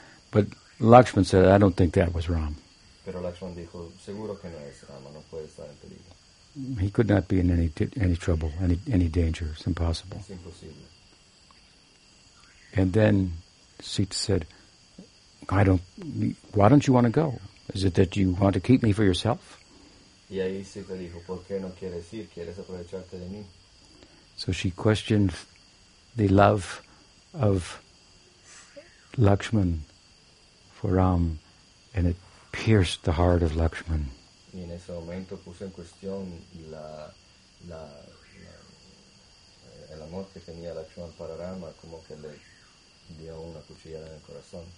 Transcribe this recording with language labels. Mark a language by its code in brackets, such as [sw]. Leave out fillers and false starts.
[en] But Lakshman said, I don't think that was Ram. [es] Pero Lakshman dijo, seguro que no es Rama, no puede estar en peligro. [en] He could not be in any trouble, any danger. It's impossible. [es] Es imposible. [en] And then Sita said, why don't you want to go? Is it that you want to keep me for yourself? [es] Y ahí Sita dijo, ¿por qué no quieres ir? ¿Quieres aprovecharte de mí? [en] So she questioned the love of Lakshman for Ram, and it pierced the heart of Lakshman. [es] Y en ese momento puso en cuestión el amor que tenía Lakshman para Rama, como que le dio una cuchillada en el corazón.